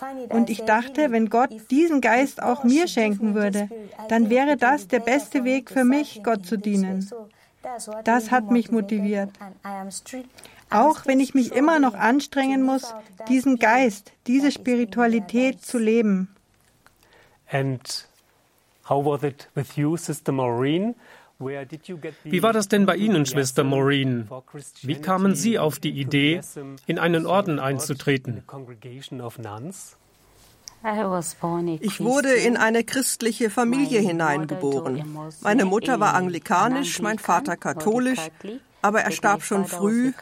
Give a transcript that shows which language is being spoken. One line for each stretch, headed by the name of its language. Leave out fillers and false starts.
German: Und ich dachte, wenn Gott diesen Geist auch mir schenken würde, dann wäre das der beste Weg für mich, Gott zu dienen. Das hat mich motiviert. Auch wenn ich mich immer noch anstrengen muss, diesen Geist, diese Spiritualität zu leben.
English: And how was it with you, Sister Maureen?
German: Wie war das denn bei Ihnen, Schwester Maureen? Wie kamen Sie auf die Idee, in einen Orden einzutreten? Ich wurde in eine christliche Familie hineingeboren. Meine Mutter war anglikanisch, mein Vater katholisch, aber er starb schon früh.